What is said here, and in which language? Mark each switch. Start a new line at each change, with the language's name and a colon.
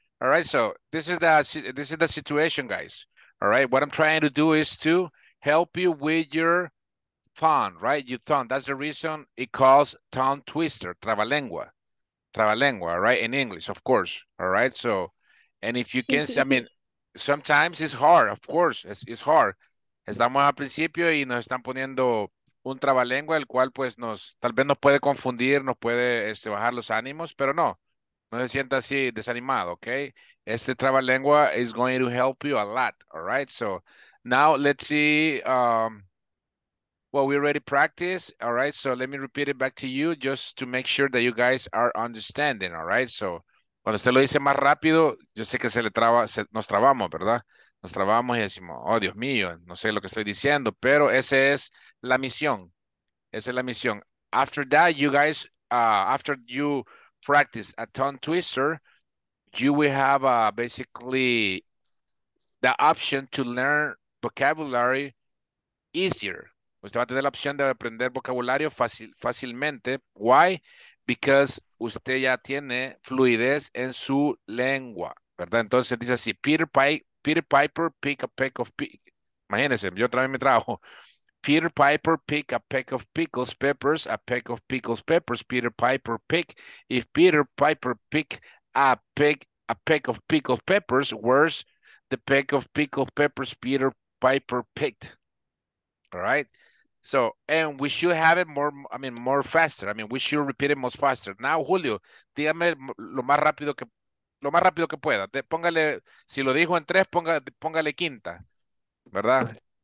English: All right, so this is the situation, guys. All right, what I'm trying to do is to help you with your tongue, right? Your tongue. That's the reason it calls tongue twister, trabalengua. trabalengua, right? In English, of course, all right? So, and if you can, I mean, sometimes it's hard, of course, it's hard.
Spanish: Estamos al principio y nos están poniendo un trabalengua, el cual pues nos, tal vez nos puede confundir, nos puede este, bajar los ánimos, pero no, no se sienta así desanimado, okay? Este trabalengua
English: is going to help you a lot, all right? So, now let's see, well, we already practiced, all right? So let me repeat it back to you just to make sure that you guys are understanding, all right?
Spanish: So, cuando usted lo dice más rápido, yo sé que se le traba, se, nos trabamos, ¿verdad? Nos trabamos y decimos, oh, Dios mío, no sé lo que estoy diciendo, pero esa es la misión. Esa es la misión.
English: After that, you guys, after you practice a tongue twister, you will have basically the option to learn vocabulary easier.
Spanish: Usted va a tener la opción de aprender vocabulario fácilmente.
English: Why? Because
Spanish: usted ya tiene fluidez en su lengua, ¿verdad? Entonces dice así,
English: Peter Piper pick a peck of pickles.
Spanish: Imagínense, yo otra vez me trajo.
English: Peter Piper pick a peck of pickles, peppers, a peck of pickles, peppers, Peter Piper pick. If Peter Piper pick a peck of pickles, peppers, where's the peck of pickles, peppers Peter Piper picked? All right? So, and we should have it more faster. I mean, we should repeat it most faster.
Spanish: Now, Julio, dígame lo más rápido que pueda. Póngale, si lo dijo en tres, póngale quinta, ¿verdad?